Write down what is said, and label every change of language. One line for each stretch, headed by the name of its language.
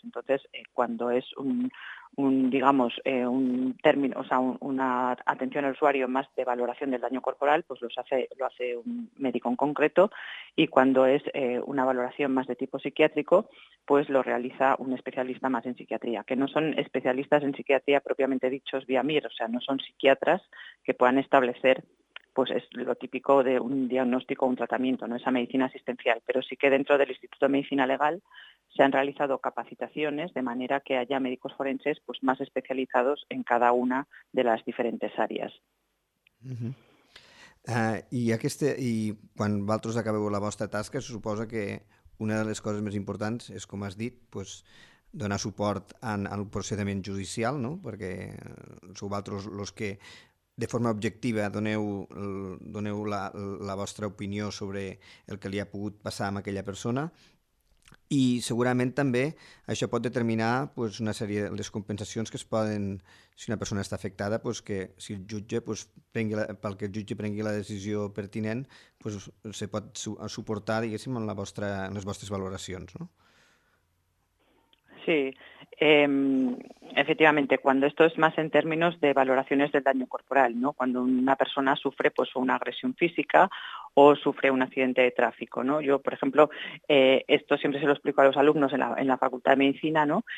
Spanish: Entonces, cuando es digamos, un término, o sea, una atención al usuario más de valoración del daño corporal, pues lo hace un médico en concreto, y cuando es una valoración más de tipo psiquiátrico, pues lo realiza un especialista más en psiquiatría, que no son especialistas en psiquiatría propiamente dichos vía MIR, o sea, no son psiquiatras que puedan establecer, pues es lo típico de un diagnóstico o un tratamiento, no esa medicina asistencial, pero sí que dentro del Instituto de Medicina Legal se han realizado capacitaciones de manera que haya médicos forenses pues más especializados en cada una de las diferentes áreas.
Catalan: I quan vosaltres acabeu la vostra tasca, se suposa que una de les coses més importants és, com has dit, pues, donar suport en el procediment judicial, no? Perquè sou vosaltres els que de forma objectiva doneu la vostra opinió sobre el que li ha pogut passar amb aquella persona. I segurament també això pot determinar, pues, una sèrie de les compensacions que es poden, si una persona està afectada, pues, que si el jutge, pues, pel que el jutge prengui la decisió pertinent, pues, se pot suportar, diguéssim, en les vostres valoracions, no?
Spanish: Sí, efectivamente, cuando esto es más en términos de valoraciones del daño corporal, ¿no? Cuando una persona sufre pues una agresión física o sufre un accidente de tráfico, ¿no? Yo, por ejemplo, esto siempre se lo explico a los alumnos en la Facultad de Medicina, ¿no?